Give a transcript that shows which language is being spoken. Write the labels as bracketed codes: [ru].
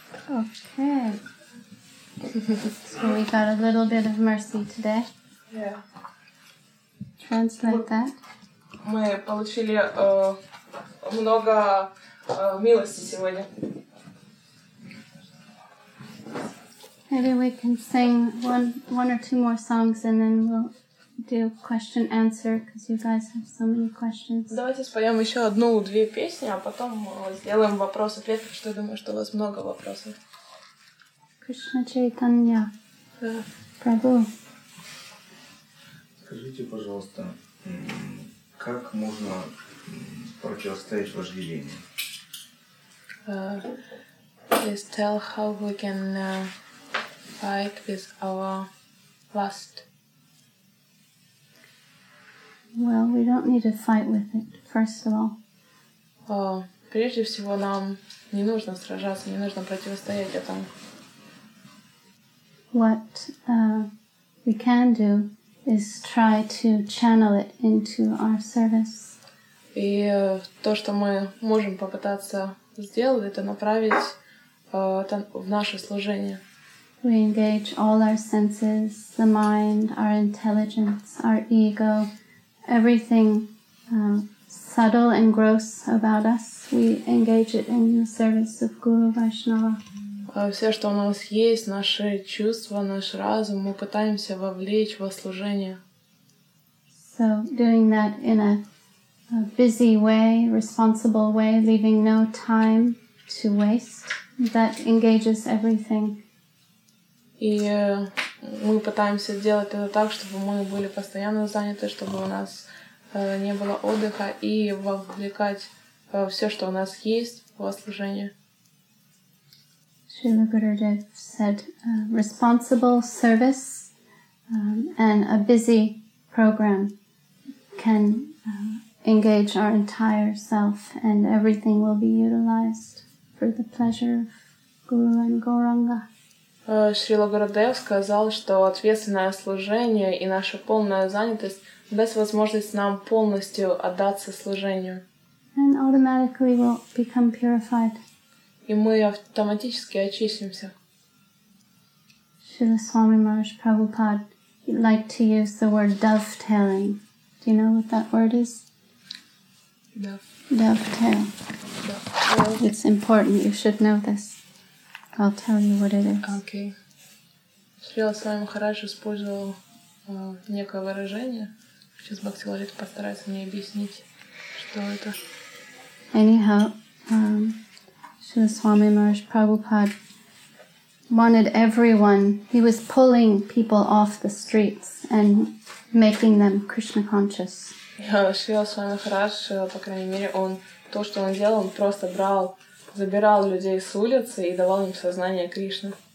[en] Okay. So we got a little bit of mercy today. Yeah. Translate that. [ru] Мы получили много милости сегодня. [en] Maybe we can sing one or two more songs and then we'll do question answer because you guys have so many questions. [ru] Давайте споем еще одну-две песни, а потом сделаем вопрос-ответ, потому что я думаю, что у вас много вопросов. Кришна Чайтанья. Прабу. Скажите, пожалуйста, как можно противостоять вожделению? [en] Please tell how we can fight with our lust. Well, we don't need to fight with it, first of all. [ru] Прежде всего, нам не нужно сражаться, не нужно противостоять этому. [en] What we can do is try to channel it into our service. [ru] И то, что мы можем попытаться сделать, это направить это в наше служение. [en] We engage all our senses, the mind, our intelligence, our ego, everything subtle and gross about us. We engage it in the service of Guru Vaishnava. [ru] Все, что у нас есть, наши чувства, наш разум, мы пытаемся вовлечь во служение. [en] So doing that in a busy way, responsible way, leaving no time to waste, that engages everything. [ru] И мы пытаемся делать это так, чтобы мы были постоянно заняты, чтобы у нас не было отдыха, и вовлекать все, что у нас есть, в служение. [en] Srila Gurudev said, responsible service and a busy program can engage our entire self, and everything will be utilized for the pleasure of Guru and Gauranga. [ru] Шрила Гурудев сказал, что ответственное служение и наша полная занятость даст возможность нам полностью отдаться служению. [en] And automatically we'll become purified. [ru] И мы автоматически очистимся. [en] Шрила Свами Махарадж Прабхупад liked to use the word dovetailing. Do you know what that word is? Dovetail. It's important, you should know this. I'll tell you what it is. [ru] Okay. Srila Swami Maharaj использовал некое выражение. Сейчас Бхакти Лалита постарается мне объяснить, что это. [en] Anyhow, Srila Swami Maharaj Prabhupada wanted everyone. He was pulling people off the streets and making them Krishna conscious. [ru] Srila Swami Maharaj, по крайней мере, он то, что он делал, он просто брал. Забирал людей с улицы и давал им сознание Кришны.